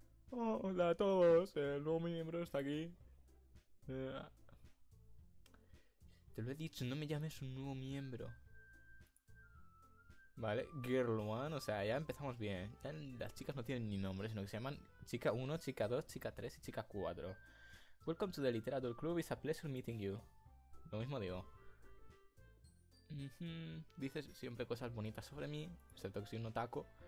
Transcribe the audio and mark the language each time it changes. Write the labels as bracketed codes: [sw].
[es] Hola a todos, el nuevo miembro está aquí. Te lo he dicho, no me llames un nuevo miembro. Vale, Girl One, o sea, ya empezamos bien. Ya las chicas no tienen ni nombre, sino que se llaman Chica 1, Chica 2, Chica 3 y Chica 4. [en] Welcome to the Literature Club, it's a pleasure meeting you. [es] Lo mismo digo. Dices siempre cosas bonitas sobre mí, excepto que soy un otaku.